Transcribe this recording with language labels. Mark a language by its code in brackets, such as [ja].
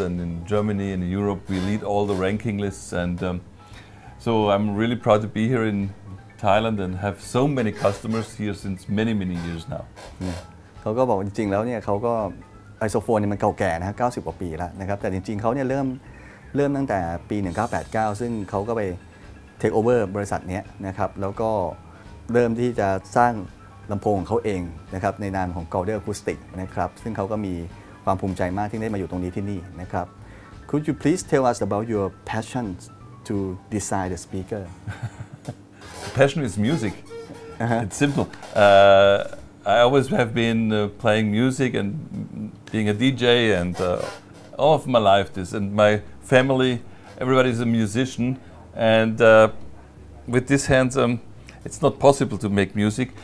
[en] And in Germany and Europe, we lead all the ranking lists. And so I'm really proud to be here in Thailand and have so many customers here since many, many years now. [th] เขาก็บอกจริงๆแล้วเนี่ยเขาก็ไอโซโฟนเนี่ยมันเก่าแก่นะฮะ90กว่าปีแล้วนะครับแต่จริงๆเขาเนี่ยเริ่มตั้งแต่ปี1989ซึ่งเขาก็ไปเทคโอเวอร์บริษัทนี้นะครับแล้วก็เริ่มที่จะสร้างลำโพงของเขาเองนะครับในนามของ Golder Acoustic นะครับซึ่งเขาก็มีความภูมิใจมากที่ได้มาอยู่ตรงนี้ที่นี่นะครับ [en] Could you please tell us about your passion to design the speaker? Passion is music. It's simple. I always have been playing music and being a DJ and all of my life this. And my family, everybody is a musician. And with these hands, it's not possible to make music.